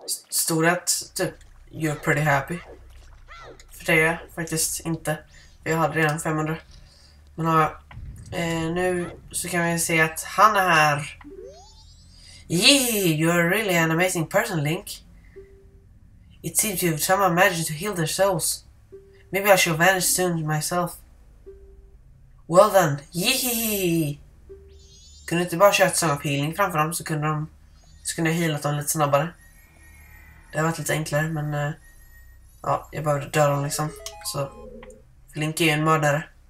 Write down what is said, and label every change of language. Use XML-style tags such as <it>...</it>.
<sv>Stod att typ</sv> <en>you're pretty happy.</en> <sv>För det är faktiskt inte. Vi hade redan 500. Men nu så kan vi se att han är här.</sv> <en>Yeah, you're really an amazing person, Link. It seems you have some magic to heal their souls. Maybe I shall vanish soon myself. Well then, yee.</en> <sv>Kunde du inte bara köra ett song of healing framför dem så kunde jag healat dem lite snabbare. Det har varit lite enklare, men ja, jag behövde döda dem liksom. Så Link är ju en mördare.</sv>